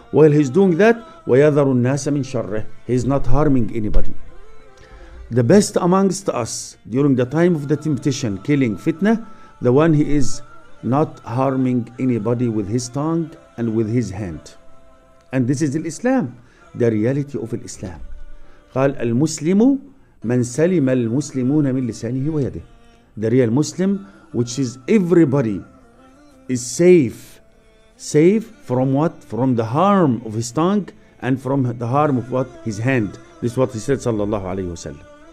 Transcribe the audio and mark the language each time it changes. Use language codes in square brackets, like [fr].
[en] While he's doing that, [ar] وَيَذَرُ النَّاسَ مِن شَرِّهِ, [en] he's not harming anybody. The best amongst us during the time of the temptation, killing, fitna, the one he is not harming anybody with his tongue and with his hand. And this is Islam, the reality of Islam. [ar] قال المسلم من سلم المسلمون من لسانه ويده. [en] The real Muslim, which is everybody, is safe from what? From the harm of his tongue and from the harm of what? His hand. This is what he said sallallahu alayhi wa sallam.